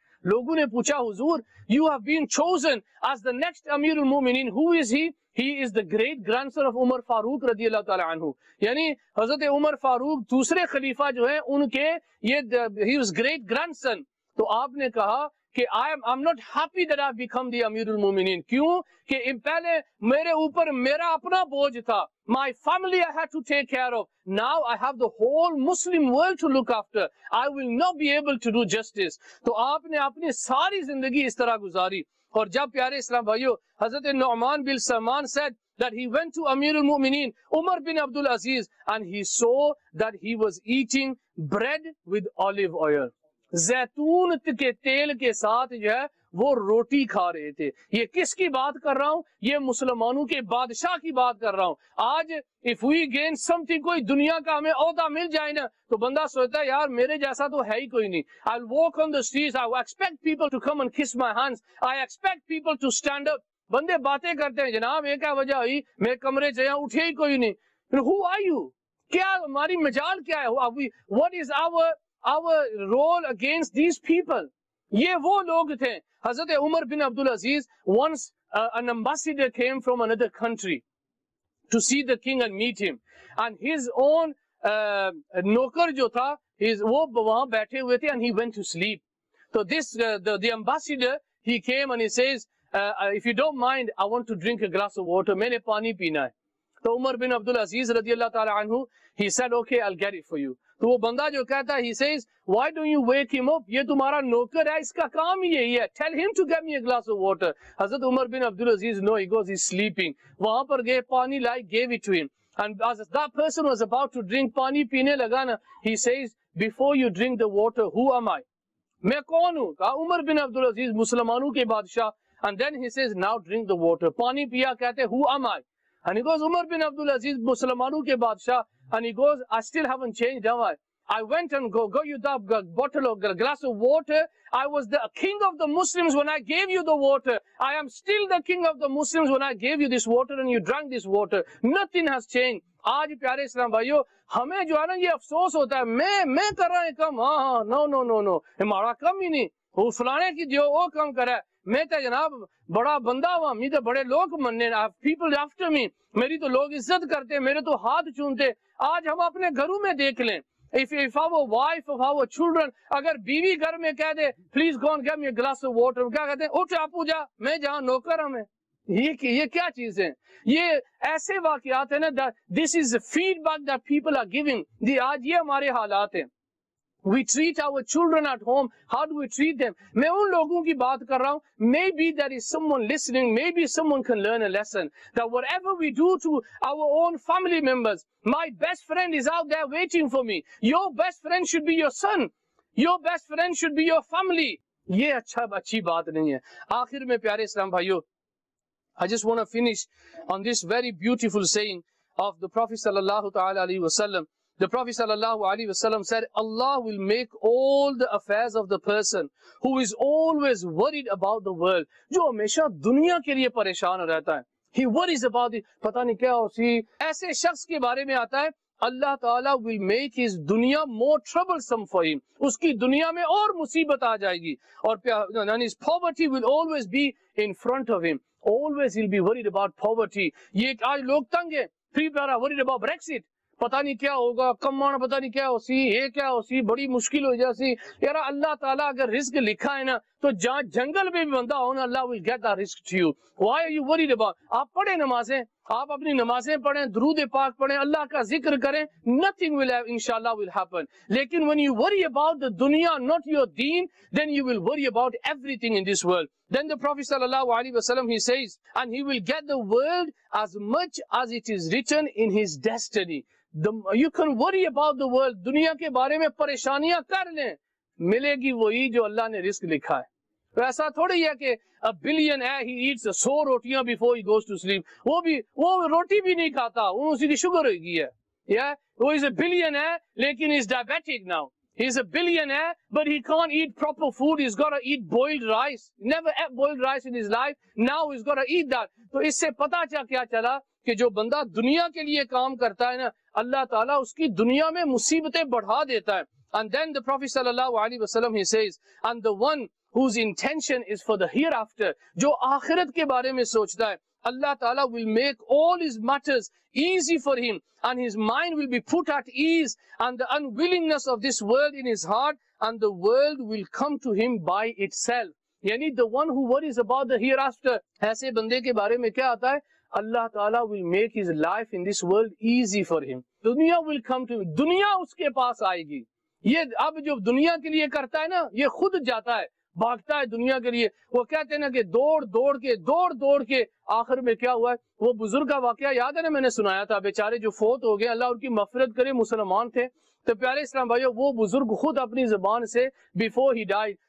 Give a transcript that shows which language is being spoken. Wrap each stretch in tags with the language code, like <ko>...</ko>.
<ur>لوگوں نے پوچھا حضور</ur> <en>you have been chosen as the next امیر المومنین who is he? He is the great grandson of</en> <ur>عمر فاروق رضی اللہ تعالی عنہ یعنی حضرت عمر فاروق دوسرے خلیفہ جو ہیں ان کے</ur> <en>he was great grandson</en> <ur>تو آپ نے کہا کہ</ur> <en>I'm not happy that I've become the امیر المومنین</en> <ur>کیوں کہ پہلے میرے اوپر میرا اپنا بوجھ تھا</ur> <en>my family I had to take care of now I have the whole Muslim world to look after I will not be able to do justice</en> <ur>تو آپ نے اپنی ساری زندگی اس طرح گزاری اور جب پیارے اسلام بھائیو</ur> <en>حضرت نعمان بن Salman said that he went to امیر المومنین عمر بن Abdulaziz and he saw that he was eating bread with olive oil</en> <ur>زیتون کے تیل کے ساتھ جو ہے وہ روٹی کھا رہے تھے. یہ کس کی بات کر رہا ہوں؟ یہ مسلمانوں کے بادشاہ کی بات کر رہا ہوں. آج</ur> <en>if we gain something,</en> <ur>کوئی دنیا کا ہمیں عہدہ مل جائے نا تو بندہ سوچتا ہے یار میرے جیسا تو ہے ہی کوئی نہیں.</ur> <en>I'll walk on the streets, I expect people to come and kiss my hands, I expect people to stand up.</en> <ur>بندے باتیں کرتے ہیں جناب ایک وجہ ہوئی میں کمرے سے یہاں اٹھے ہی کوئی نہیں.</ur> <en>Who are you?</en> <ur>کیا ہماری مجال کیا ہے؟</ur> <en>What is our role against these people?</en> <ur>یہ وہ لوگ تھے.</ur> <en>حضرت عمر بن Abdulaziz, once an ambassador came from another country to see the king and meet him, and his own نوکر</en> <ur>جو تھا وہ وہاں بیٹھے ہوئے تھے,</ur> <en>and he went to sleep. So this the ambassador, he came and he says, if you don't mind, I want to drink a glass of water.</en> <ur>میں نے پانی پینا ہے. تو عمر بن عبدالعزیز رضی اللہ تعالی عنہ,</ur> <en>he said, okay, I'll get it for you.</en> <ur>تو وہ بندہ جو کہتا ہے,</ur> <en>he says, why don't you wake him up?</en> <ur>یہ تمہارا نوکر ہے, اس کا کام یہی ہے.</ur> <en>Tell him to get me a glass of water. حضرت عمر بن عبدالعزیز,</en> <ur>no, he goes, he's sleeping. وہاں پر گئے, پانی لائے,</ur> <en>gave it to him. And as that person was about to drink,</en> <ur>پانی پینے لگا نا,</ur> <en>he says, before you drink the water, who am I?</en> <ur>میں کون ہوں؟ کہا عمر بن عبدالعزیز, مسلمانوں کے بادشاہ.</ur> <en>And then he says, now drink the water.</en> <ur>پانی پیا, کہتے ہیں,</ur> <en>who am I? And he goes,</en> <ur>عمر بن عبدالعزیز, مسلمانوں کے بادشاہ.</ur> <en>And he goes, I still haven't changed, have I? I went and got you that bottle of glass of water. I was the king of the Muslims when I gave you the water. I am still the king of the Muslims when I gave you this water and you drank this water. Nothing has changed.</en> <ur>آج پیارے اسلام بھائیو, ہمیں جو ہے نا یہ افسوس ہوتا ہے, میں کر رہا ہوں کم. ہاں نو, ہمارا کم ہی نہیں. وہ فلانے کی جو وہ کم کرا ہے, میں تو جناب بڑا بندہ ہوا, میں تو بڑے لوگ مننے,</ur> <en>people after me,</en> <ur>میری تو لوگ عزت کرتے, میرے تو ہاتھ چونتے. آج ہم اپنے گھروں میں دیکھ لیں,</ur> <en>if our wife, if our children,</en> <ur>اگر بیوی گھر میں کہہ دے</ur> <en>please go and get me a glass of water,</en> <ur>کیا کہتے ہیں؟ اٹھ آپو جا, میں جہاں نوکر ہوں. یہ کیا چیز ہے؟ یہ ایسے واقعات ہیں نا,</ur> <en>This is feedback that people are giving.</en> <ur>آج یہ ہمارے حالات ہیں.</ur> <en>We treat our children at home, how do we treat them?</en> <ur>میں ان لوگوں کی بات کر رہا ہوں,</ur> <en>maybe there is someone listening, maybe someone can learn a lesson, that whatever we do to our own family members, my best friend is out there waiting for me. Your best friend should be your son, your best friend should be your family.</en> <ur>یہ اچھی بات نہیں ہے. آخر میں پیارے اسلام بھائیو,</ur> <en>I just want to finish on this very beautiful saying of the Prophet صلی اللہ تعالی علیہ وسلم. The Prophet sallallahu alaihi wasallam said, Allah will make all the affairs of the person who is always worried about the world.</en> <ur>جو ہمیشہ دنیا کے لیے پریشان رہتا ہے,</ur> <en>he worries about it,</en> <ur>پتہ نہیں کیا ہو سی, ایسے شخص کے بارے میں آتا ہے, اللہ تعالیٰ</ur> <en>will make his</en> <ur>دنیا</ur> <en>more troublesome for him.</en> <ur>اس کی دنیا میں اور مصیبت آ جائے گی.</ur> <en>اور his poverty will always be in front of him. Always he'll be worried about poverty.</en> <ur>یہ آج لوگ تنگ ہیں,</ur> <en>people are worried about Brexit.</en> <ur>پتہ نہیں کیا ہوگا, کم مانا پتہ نہیں کیا ہو سی, یہ کیا ہو سی, بڑی مشکل ہو جا سی. یار اللہ تعالیٰ اگر رزق لکھا ہے نا, تو جہاں جنگل میں بھی بندہ ہو نا, اللہ</ur> <en>will get that risk to you. Why are you worried about?</en> <ur>آپ پڑھیں نمازیں, آپ اپنی نمازیں پڑھیں, درود پاک پڑھیں, اللہ کا ذکر کریں,</ur> <en>nothing will have,</en> <ur>انشاءاللہ</ur> <en>will happen.</en> <ur>لیکن</ur> <en>when you worry about the دنیا, not your deen, then you will worry about everything in this world. Then the Prophet صلی اللہ علیہ وسلم, he says, and he will get the world as much as it is written in his destiny. You can worry about the world,</en> <ur>دنیا کے بارے میں پریشانیاں کر لیں, ملے گی وہی جو اللہ نے رزق لکھا ہے. تو ایسا تھوڑی ہے کہ</ur> <en>a billionaire, he eats 100 روٹیاں before he goes to sleep.</en> <ur>وہ روٹی بھی نہیں کھاتا, اسی کی شوگر ہو گئی ہے.</ur> <en>Yeah, he is a billionaire,</en> <ur>لیکن</ur> <en>he is diabetic now. He is a billionaire, but he can't eat proper food. He's got to eat boiled rice. Never ate boiled rice in his life. Now he's got to eat that.</en> <ur>تو اس سے پتا کیا چلا کہ جو بندہ دنیا کے لیے کام کرتا ہے نا, اللہ تعالیٰ اس کی دنیا میں مصیبتیں بڑھا دیتا ہے.</ur> <en>And then the Prophet صلی اللہ علیہ وسلم, he says, and the one whose intention is for the hereafter,</en> <ur>جو آخرت کے بارے میں سوچتا ہے,</ur> <en>اللہ تعالیٰ will make all his matters easy for him, and his mind will be put at ease, and the unwillingness of this world in his heart, and the world will come to him by itself. یعنی the one who worries about the hereafter,</en> <ur>ایسے بندے کے بارے میں کیا آتا ہے,</ur> <en>اللہ تعالیٰ will make his life in this world easy for him. دنیا will come to him.</en> <ur>دنیا اس کے پاس آئے گی. یہ اب جو دنیا کے لیے کرتا ہے نا, یہ خود جاتا ہے, بھاگتا ہے دنیا کے لیے. وہ کہتے ہیں نا کہ دوڑ دوڑ کے آخر میں کیا ہوا ہے, وہ بزرگ کا واقعہ یاد ہے نا, میں نے سنایا تھا, بیچارے جو فوت ہو گئے, اللہ ان کی مغفرت کرے, مسلمان تھے. تو پیارے اسلام بھائیو, وہ بزرگ خود اپنی زبان سے,</ur> <en>before he died,</en>